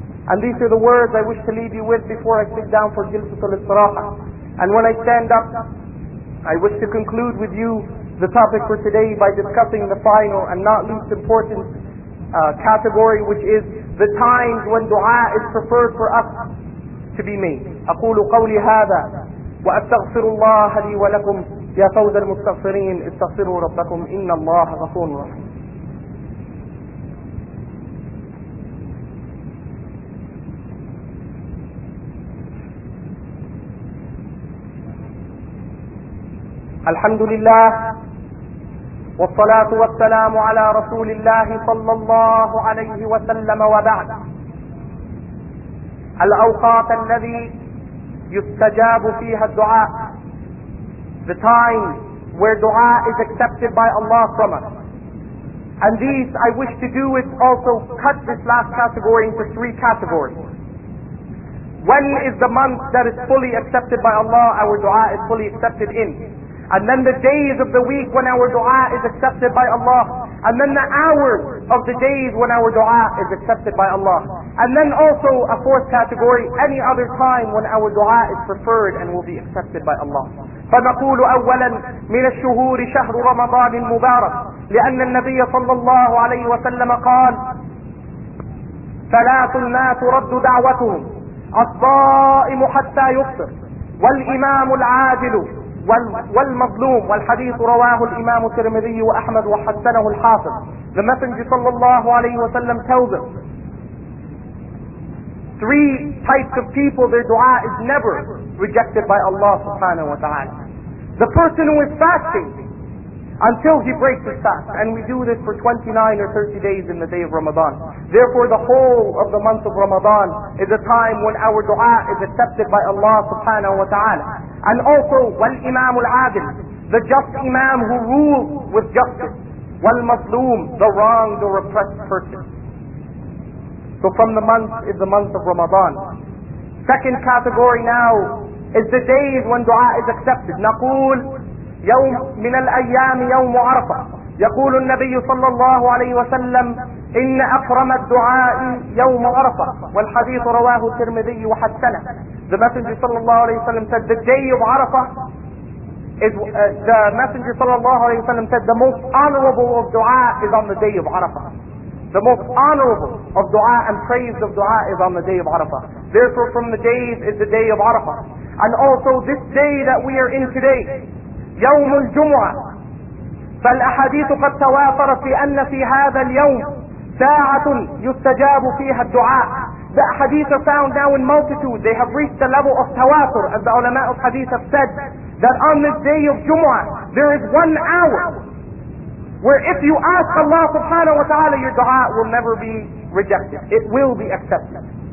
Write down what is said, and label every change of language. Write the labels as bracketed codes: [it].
[en] And these are the words I wish to leave you with before I sit down for Jilsatul Istiraha. And when I stand up, I wish to conclude with you the topic for today by discussing the final and not least important category, which is the times when dua is preferred for us to be made. [ar] أقول قولي هذا وأستغفر الله لي ولكم يا فوز المستغفرين استغفروا ربكم إن الله غفور رحيم. الحمد لله والصلاة والسلام على رسول الله صلى الله عليه وسلم وبعد. الأوقات الذي يستجاب فيها الدعاء. [en] The time where dua is accepted by Allah from us. And these, I wish to do is also cut this last category into three categories. When is the month that is fully accepted by Allah, our dua is fully accepted in? And then the days of the week when our dua is accepted by Allah. And then the hours of the days when our dua is accepted by Allah. And then also a fourth category, any other time when our dua is preferred and will be accepted by Allah. [ar] فنقول أولا من الشهور شهر رمضان المبارك لأن النبي صلى الله عليه وسلم قال ثلاث ما ترد دعوتهم الصائم حتى يفطر والإمام العادل والمظلوم والحديث رواه الإمام الترمذي وأحمد وحسنه الحافظ. [en] The Messenger صلى الله عليه وسلم tells us three types of people, their dua is never rejected by Allah subhanahu wa ta'ala. The person who is fasting until he breaks his fast. And we do this for 29 or 30 days in the day of Ramadan. Therefore the whole of the month of Ramadan is a time when our dua is accepted by Allah subhanahu wa ta'ala. And also, [ar] والإمام العادل, [en] the just imam who rules with justice. [ar] والمظلوم, [en] the wronged or oppressed person. So from the month is the month of Ramadan. Second category now is the days when dua is accepted. [ar] نقول يوم من الأيام يوم عرفة يقول النبي صلى الله عليه وسلم إن أكرم الدعاء يوم عرفة والحديث رواه الترمذي وحسنه. [en] The Messenger صلى الله عليه وسلم said the day of عرفة is the Messenger صلى الله عليه وسلم said the most honorable of dua is on the day of عرفة. The most honorable of dua and praise of dua is on the day of Arafah. Therefore from the days is the day of Arafah. And also this day that we are in today, [ar] يوم الجمعة. فالأحاديث قد تواتر في أن في هذا اليوم ساعة يستجاب فيها الدعاء. [en] The hadith are found now in multitude. They have reached the level of tawatur. As the ulama of hadith have said, that on this day of Jumu'ah, there is 1 hour where if you ask Allah subhanahu wa ta'ala, your dua will never be rejected. It will be accepted.